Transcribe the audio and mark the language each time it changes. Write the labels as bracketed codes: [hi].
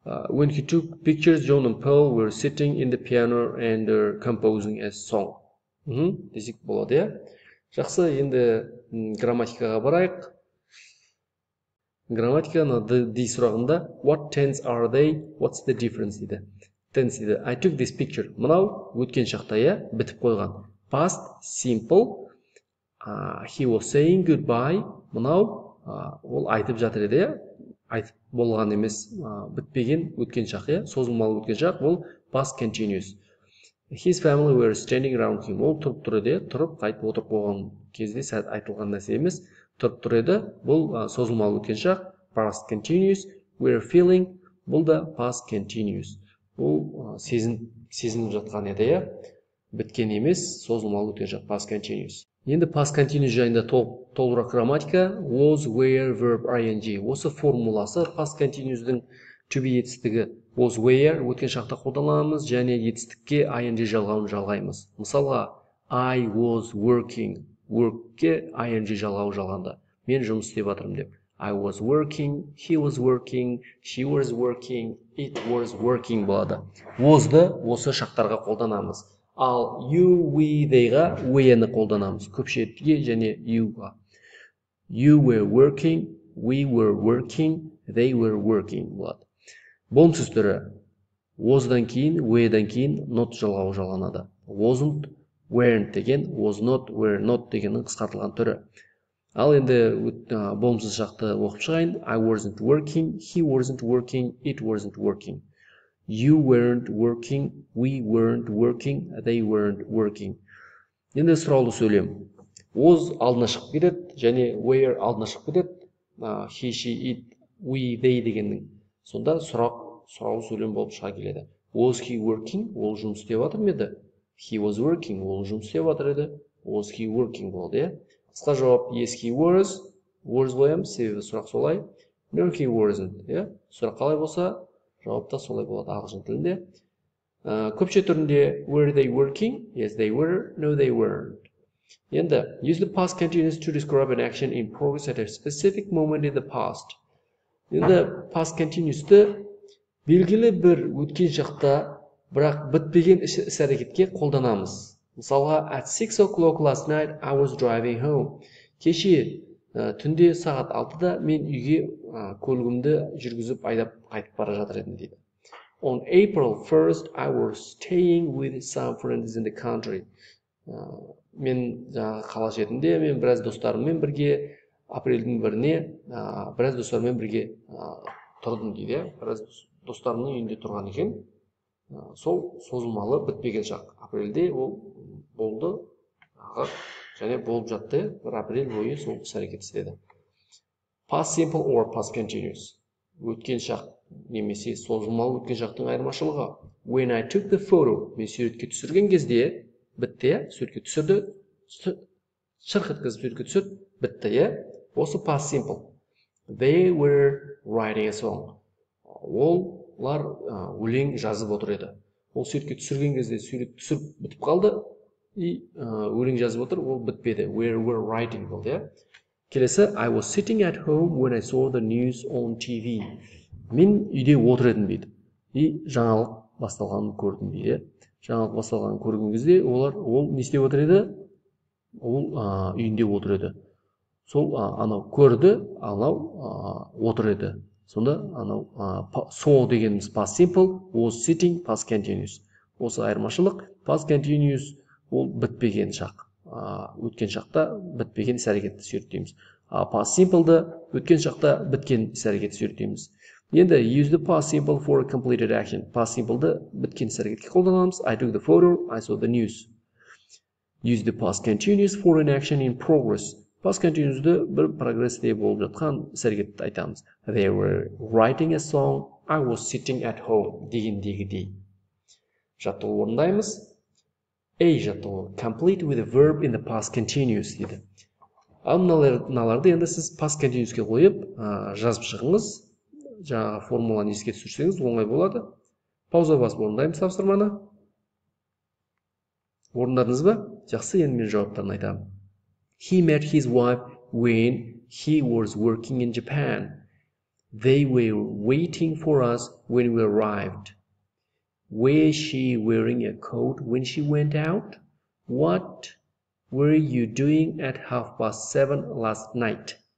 [en] When he took pictures, John and Paul were sitting in the piano and composing a song. [kk] Десек болады, иә? Жақсы, енді грамматикаға барайық. Грамматиканы D сұрағында, [en] what tense are they, what's the difference, [kk] дейді. [en] Tense, [kk] дейді, [en] I took this picture. [kk] Мынау өткен шақта, иә, бітіп қойған. [en] Past, simple, he was saying goodbye. [kk] Мынау, ол айтып жатыр еді, иә? Айтып болған емес, бітпеген өткен шақ, иә, созылмалы өткен шақ, бұл past continuous. [en] His family were standing around him. [kk] Ол тұрып тұр еді, тұрып қайтып отырып болған кезде сәт айтылған нәрсе емес, тұрып тұр еді, бұл созылмалы өткен шақ, past continuous. [en] Were feeling, бұл да past continuous. [kk] Бұл сезініп жатқан еді, иә, біткен емес, созылмалы өткен шақ, past continuous. Енді [en] past continuous [kk] жайында толырақ грамматика, [en] was, where, verb, ing. [kk] Осы формуласы past continuous-дің to be етістігі, was, where, өткен шақта қолданамыз, және етістікке ing жалғауын жалғаймыз. Мысалға, [en] I was working, [kk] work-ке ing жалғау жалғанды. Мен жұмыс істеп жатырмын деп. [en] I was working, he was working, she was working, it was working [kk] болады. Was-ды осы шақтарға қолданамыз. Ал you, we, they-ға we-ні қолданамыз. Көпшілікке және you-ға. [en] You were working, we were working, they were working. [kk] Болымсыз түрі. Was-дан кейін, we-дан кейін not жалғауы жалғанады. Wasn't, weren't деген, was not, were not дегеннің қысқартылған түрі. Ал енді болымсыз шақты оқып шығайын. [en] I wasn't working, he wasn't working, it wasn't working. You weren't working, we weren't working, they weren't working. [kk] Енді сұраулы сөйлем. Was алдына шығып кетеді, және were алдына шығып кетеді. [en] He, she, it, we, they [kk] дегеннің. Сонда сұраулы сөйлем болып шыға келеді. [en] Was he working, [kk] ол жұмыс істеп жатыр ма еді? [en] He was working, [kk] ол жұмыс істеп жатыр еді. [en] Was he working [kk] болды, иә? Қысқа жауап, [en] yes, he was. [kk] Was қоямыз, себебі сұрақ солай. [en] No, he wasn't, [kk] иә? Сұрақ қалай болса, жауапта солай болады ағылшын тілінде. [en] Көпше түрінде were they working? Yes, they were. No, they weren't. [kk] Енді, [en] use the past continuous to describe an action in progress at a specific moment in the past. [kk] Енді, past continuous-ті белгілі бір өткен шақта бірақ бітпеген іс-әрекетке қолданамыз. [en] Мысалға, at 6 o'clock last night I was driving home. [kk] Кеше түнде сағат 6-да мен үйге көлігімді жүргізіп айдап қайтып бара жатыр едім дейді. [en] On April 1st I was staying with some friends in the country. [kk] Мен жаңа қала шетінде мен біраз достарыммен бірге апрельдің біріне біраз достарыммен бірге тұрдым дейді. Біраз достарымның үйінде тұрған екен. Сол созылмалы бітпеген шақ. Апрельде ол болды. Және болып жатты. Бір апрель бойы сол іс-әрекет істеді. [en] Past simple or past continuous. [kk] Өткен шақ немесе созылмалы өткен шақтың айырмашылығы. [en] When I took the photo, [kk] мен суретке түсірген кезде бітті, суретке түсірді, шырқ еткізіп суретке түсіп бітті. Осы [en] past simple. They were writing a song. [kk] Олар өлең жазып отыр еді. Ол суретке түсірген кезде сурет түсіріп бітіп қалды. И өлең жазып отыр, ол бітпеді. [en] Where were writing [kk] болды, [en] yeah? [kk] Келесі, [en] I was sitting at home when I saw the news on TV. [kk] Мен үйде отыр едім дейді. И жаңалық басталғанын көрдім дейді. Жаңалық басталғанын көрген кезде олар ол не істеп отыр еді? Ол үйінде отыр еді. Сол анау көрді, анау отыр еді. Сонда анау saw дегеніміз past simple, was sitting past continuous. Осы айырмашылық past continuous ол бітпеген шақ. Өткен шақта бітпеген іс-әрекетті суреттейміз. Past simple-ды өткен шақта біткен іс-әрекетті суреттейміз. Енді [en] use the past simple for a completed action. [kk] Past simple-ды біткен іс-әрекетке қолданамыз. [en] I took the photo, I saw the news. Use the past continuous for an action in progress. [kk] Past continuous-ды бір прогрессте болып жатқан іс-әрекетті айтамыз. [en] They were writing a song, I was sitting at home [kk] дегендегідей. Жаттығу орындаймыз. A жаттығу. [en] Complete with a verb in the past continuous [kk] дейді. Мыналарды енді сіз past continuous-ке қойып жазып шығыңыз. Жаңағы формуланы еске түсірсеңіз оңай болады. Пауза басып орындаймыз тапсырманы. Орындадыңыз ба? Жақсы, енді мен жауаптарын айтамын. [en] He met his wife when he was working in Japan. They were waiting for us when we arrived. Was she wearing a coat when she went out? What were you doing at 7:30 last night?